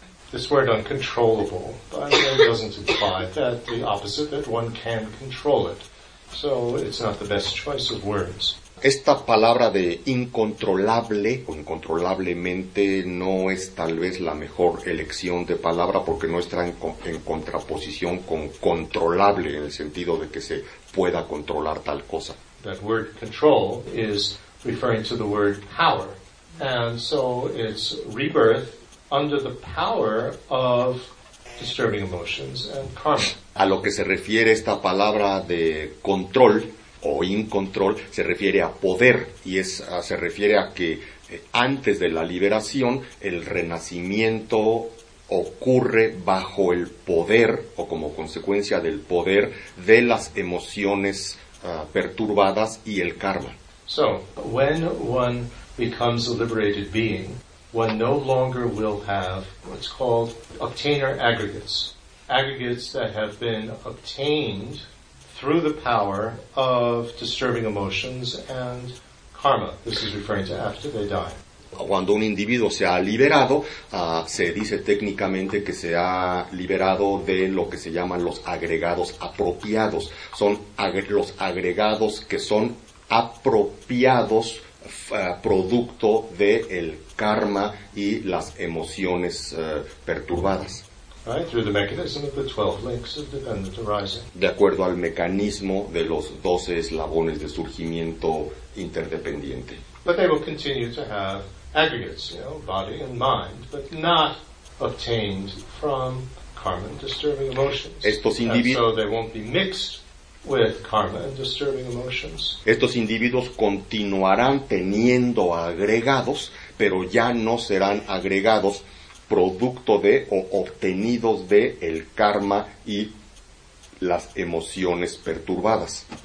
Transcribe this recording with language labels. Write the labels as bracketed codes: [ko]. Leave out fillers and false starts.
[en] This word uncontrollable, by the way, doesn't imply that the opposite, that one can control it. So it's not the best choice of words. [es] Esta palabra de incontrolable o incontrolablemente no es tal vez la mejor elección de palabra porque no está en contraposición con controlable en el sentido de que se pueda controlar tal cosa. [en] That word control is referring to the word power. And so it's rebirth under the power of disturbing emotions and karma. [es] A lo que se refiere esta palabra de control o incontrol, se refiere a poder, y es se refiere a que antes de la liberación, el renacimiento ocurre bajo el poder, o como consecuencia del poder, de las emociones perturbadas y el karma. [en] So, when one becomes a liberated being, one no longer will have what's called obtainer aggregates. Aggregates that have been obtained through the power of disturbing emotions and karma. This is referring to after they die. [es] Cuando un individuo se ha liberado, se dice técnicamente que se ha liberado de lo que se llaman los agregados apropiados. Son los agregados que son apropiados producto de el karma y las emociones perturbadas. [en] Right, through the mechanism of the 12 links of dependent arising. [es] De acuerdo al mecanismo de los 12 eslabones de surgimiento interdependiente. [en] But they will continue to have aggregates, you know, body and mind, but not obtained from karma and disturbing emotions. [es] Estos individuos, [en] so they won't be mixed with karma and disturbing emotions. [es] Estos individuos continuarán teniendo agregados, pero ya no serán agregados producto de o obtenidos de el karma y las emociones perturbadas.